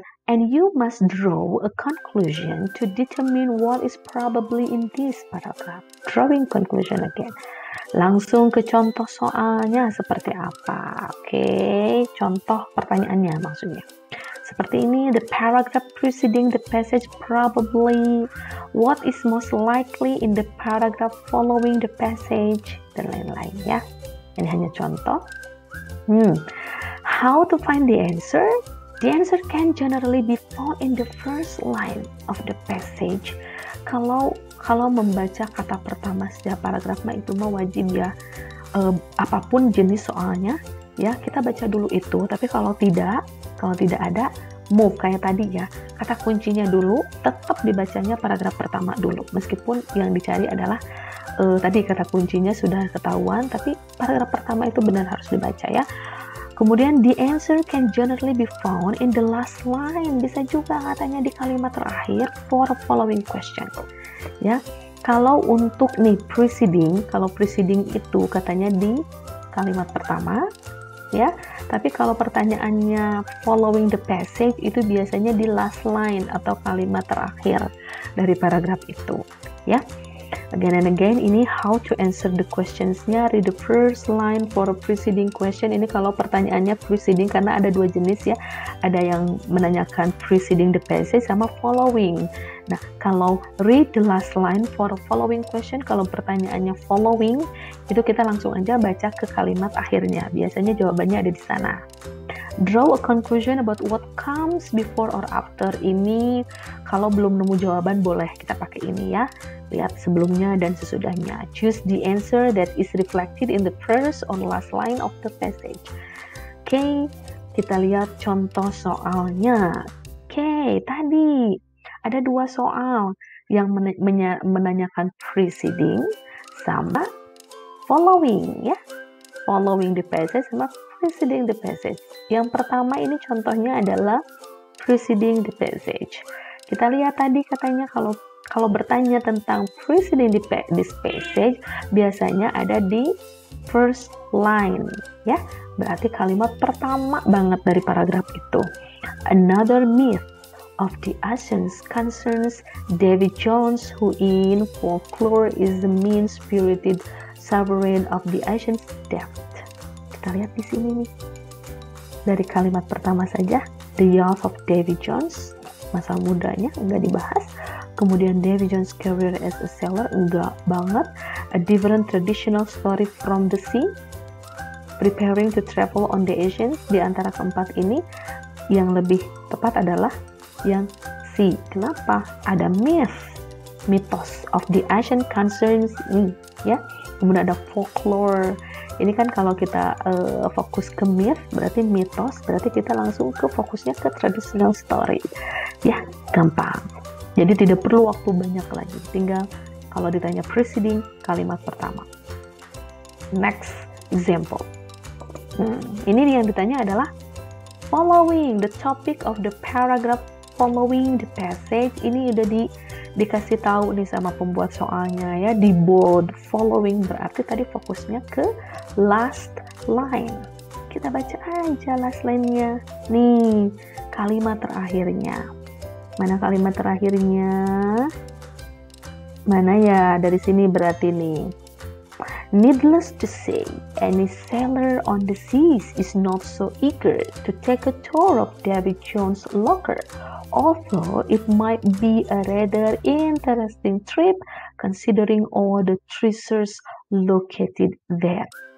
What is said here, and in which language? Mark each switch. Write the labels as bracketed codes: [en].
[en] And you must draw a conclusion to determine what is probably in this paragraph. Drawing conclusion again. [id] Langsung ke contoh soalnya seperti apa. Okay, contoh pertanyaannya maksudnya. Seperti ini, [en] the paragraph preceding the passage probably, what is most likely in the paragraph following the passage, [id] dan lain-lain ya. Ini hanya contoh. [en] How to find the answer? The answer can generally be found in the first line of the passage. [id] Kalau membaca kata pertama setiap paragraf, mah itu mah wajib ya, apapun jenis soalnya. Ya, kita baca dulu itu, tapi kalau tidak ada, move kayak tadi ya. Kata kuncinya dulu, tetap dibacanya paragraf pertama dulu. Meskipun yang dicari adalah tadi kata kuncinya sudah ketahuan, tapi paragraf pertama itu benar harus dibaca ya. Kemudian [en] the answer can generally be found in the last line. [id] Bisa juga katanya di kalimat terakhir [en] for following question. [id] Ya. Kalau untuk nih preceding itu katanya di kalimat pertama ya, tapi kalau pertanyaannya following the passage itu biasanya di last line atau kalimat terakhir dari paragraf itu ya. [en] Again and again, [id] ini [en] how to answer the questions-nya, read the first line for a preceding question. [id] Ini kalau pertanyaannya preceding, karena ada dua jenis ya, ada yang menanyakan preceding the passage sama following Nah, kalau [en] read the last line for following question, [id] kalau pertanyaannya following, itu kita langsung aja baca ke kalimat akhirnya. Biasanya jawabannya ada di sana. [en] Draw a conclusion about what comes before or after. [id] Ini kalau belum nemu jawaban, boleh kita pakai ini ya. Lihat sebelumnya dan sesudahnya. [en] Choose the answer that is reflected in the first or last line of the passage. [id] Oke, kita lihat contoh soalnya. Oke, tadi ada dua soal yang menanyakan preceding sama following ya. [en] Following the passage sama preceding the passage. [id] Yang pertama ini contohnya adalah preceding the passage. Kita lihat tadi katanya kalau bertanya tentang [en] preceding this passage, [id] biasanya ada di first line ya. Berarti kalimat pertama banget dari paragraf itu. [en] Another myth of the ancients concerns Davy Jones, who in folklore is the mean-spirited sovereign of the ancients' death. [id] Kita lihat di sini nih. Dari kalimat pertama saja, [en] the youth of Davy Jones, [id] masa mudanya enggak dibahas. Kemudian [en] Davy Jones' career as a sailor, [id] enggak banget. [en] A different traditional story from the sea, preparing to travel on the ancients. [id] Di antara keempat ini, yang lebih tepat adalah yang C. Kenapa? Ada myth, mitos [en] of the Asian concerns [id] ini, ya. Kemudian ada folklore. Ini kan kalau kita fokus ke myth, berarti mitos, berarti kita langsung ke fokusnya ke [en] traditional story. [id] Ya, gampang. Jadi tidak perlu waktu banyak lagi. Tinggal kalau ditanya preceding, kalimat pertama. [en] Next example. Ini yang ditanya adalah following the topic of the paragraph following the passage. [id] Ini udah dikasih tahu nih sama pembuat soalnya ya, di bold. Following berarti tadi fokusnya ke last line. Kita baca aja last line-nya. Nih, kalimat terakhirnya. Mana kalimat terakhirnya? Mana ya? Dari sini berarti nih. [en] Needless to say, any sailor on the seas is not so eager to take a tour of Davy Jones' locker. Although it might be a rather interesting trip, considering all the treasures located there.